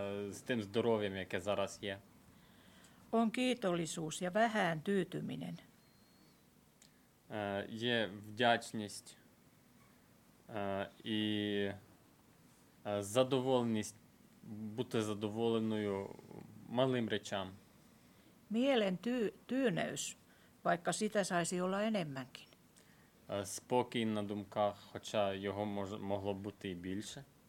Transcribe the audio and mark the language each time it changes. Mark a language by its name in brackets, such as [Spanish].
[Ukrainian] З тим здоров'ям, яке зараз є. [Finnish] On kiitollisuus ja vähän tyytyminen. [Ukrainian] Є вдячність і задоволеність, бути задоволеною малим речам. [Finnish] Mielen tyyneys, vaikka sitä saisi olla enemmänkin. [Ukrainian] Спокій на думках, хоча його могло бути і більше.